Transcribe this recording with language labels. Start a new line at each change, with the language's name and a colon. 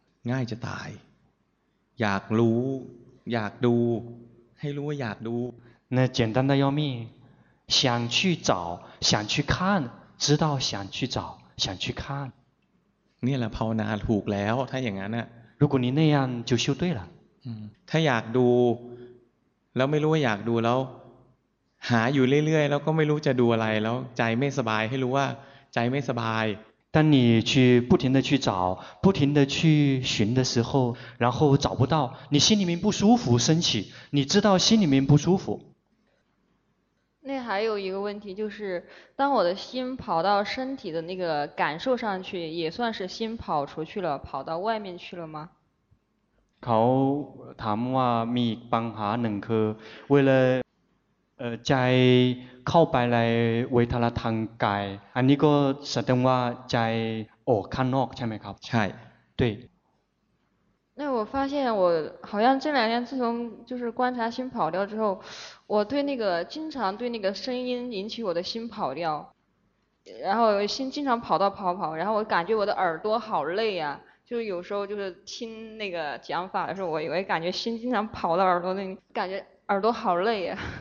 Thai: ง่ายจะตายอยากรู้อยากดูให้รู้ว่าอยากดู
Chinese: 那简单的要命想去找想去看知道想去找想去看
Thai: นี่แหละภาวนาถูกแล้วถ้าอย่างนั้นน่ะ
Chinese: 如果你那样就修对了
Thai: ถ้าอยากดูแล้วไม่รู้ว่าอยากดูแล้วหาอยู่เรื่อยๆแล้วก็ไม่รู้จะดูอะไรแล้วใจไม่สบายให้รู้ว่าใจไม่สบาย
Chinese: 当你去不停的去找不停的去寻的时候然后找不到你心里面不舒服升起你知道心里面不舒服那还有一个问题就是当我的心跑到身体的那个感受上去也算是心跑出去了跑到外面去了吗
Thai: เขาถามว่ามีปัญหาหนึ่งคือ
Chinese: 为了
Thai: ใจเข้าไปในเวทนาทางกายอันนี้ก็แสดงว่าใจออกข้างนอกใช่ไหมครับ ใช่
Chinese: 对那我发现我好像这两天自从就是观察心跑掉之后我对那个经常对那个声音引起我的心跑掉然后心经常跑到跑跑然后我感觉我的耳朵好累啊就有时候就是听那个讲法的时候我以为感觉心经常跑到耳朵那里感觉耳朵好累啊